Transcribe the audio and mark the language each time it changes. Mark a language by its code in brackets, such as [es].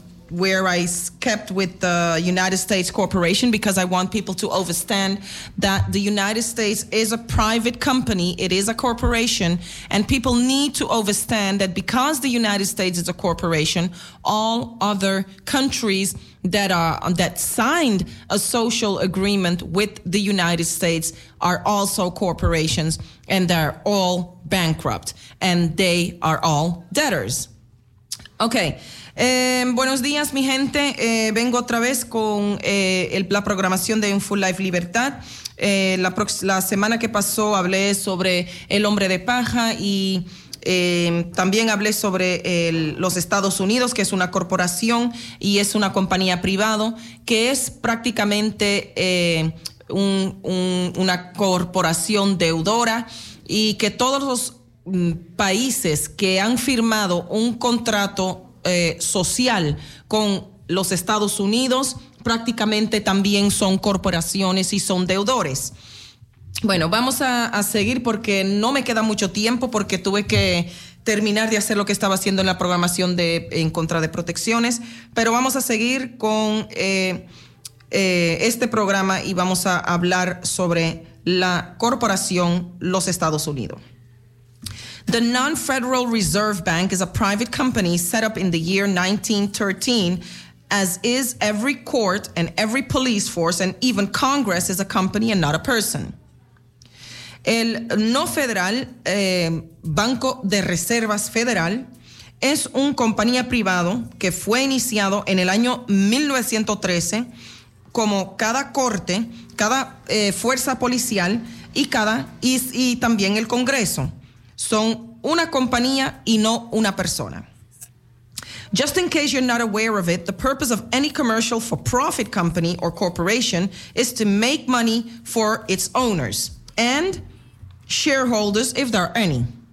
[en] Where I kept with the United States Corporation, because I want people to understand that the United States is a private company, it is a corporation, and people need to understand that because the United States is a corporation, all other countries that are that signed a social agreement with the United States are also corporations, and they're all bankrupt, and they are all debtors. Okay. [es] Buenos días, mi gente. Vengo otra vez con la programación de Info Life Libertad. La semana que pasó hablé sobre el hombre de paja y también hablé sobre los Estados Unidos, que es una corporación y es una compañía privada, que es prácticamente una corporación deudora y que todos los países que han firmado un contrato social con los Estados Unidos prácticamente también son corporaciones y son deudores. Bueno, vamos a seguir porque no me queda mucho tiempo porque tuve que terminar de hacer lo que estaba haciendo en la programación de en contra de protecciones, pero vamos a seguir con este programa y vamos a hablar sobre la corporación los Estados Unidos. [en] The Non-Federal Reserve Bank is a private company set up in the year 1913, as is every court and every police force, and even Congress is a company and not a person. [es] El No Federal Banco de Reservas Federal es un compañía privado que fue iniciado en el año 1913 como cada corte, cada fuerza policial y cada y también el Congreso. Son una compañía y no una persona. [en] Just in case you're not aware of it, the purpose of any commercial for-profit company or corporation is to make money for its owners and shareholders, if there are any.